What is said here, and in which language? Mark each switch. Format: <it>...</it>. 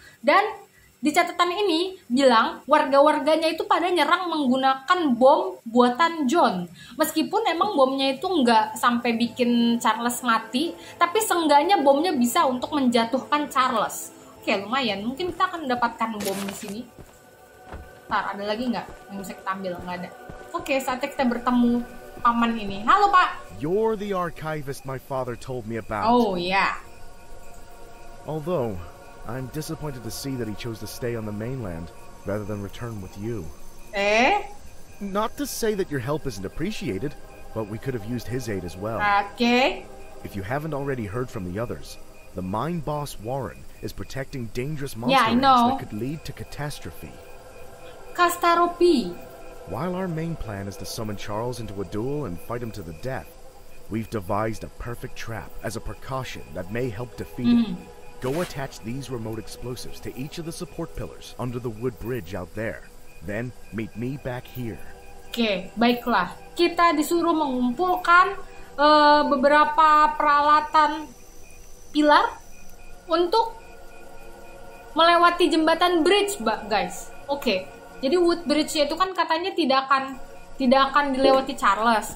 <id>Dan di catatan ini bilang warga-warganya itu pada nyerang menggunakan bom buatan John. Meskipun emang bomnya itu nggak sampai bikin Charles mati, tapi seenggaknya bomnya bisa untuk menjatuhkan Charles. Oke, lumayan. Mungkin kita akan mendapatkan bom di sini. Ntar, ada lagi nggak yang bisa kita ambil? Nggak ada. Oke, saatnya kita bertemu paman ini. Halo, Pak.</id> <en>You're the archivist my father told me about. Oh, yeah. Although, I'm disappointed to see that he chose to stay on the mainland rather than return with you. Eh? Not to say that your help isn't appreciated, but we could have used his aid as well. Okay. If you haven't already heard from the others, the mine boss Warren is protecting dangerous monsters that could lead to catastrophe. Castaropi. While our main plan is to summon Charles into a duel and fight him to the death, we've devised a perfect trap as a precaution that may help defeat him. Go attach these remote explosives to each of the support pillars under the wood bridge out there. Then meet me back here.</en> <id>Oke, baiklah. Kita disuruh mengumpulkan beberapa peralatan pilar untuk melewati jembatan bridge, guys. Oke. Jadi wood bridge itu kan katanya tidak akan dilewati Charles.</id>